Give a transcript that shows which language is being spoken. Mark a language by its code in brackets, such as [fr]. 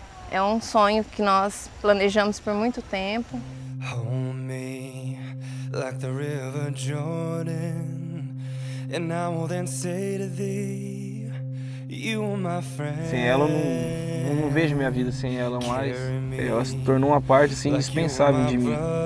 [pt] É um sonho que nós planejamos por muito tempo. [en] Hold me like the river Jordan, and I will then say to thee, you are my friend. [pt] Sem ela eu não vejo minha vida sem ela mais. Ela se tornou uma parte assim, indispensável de mim.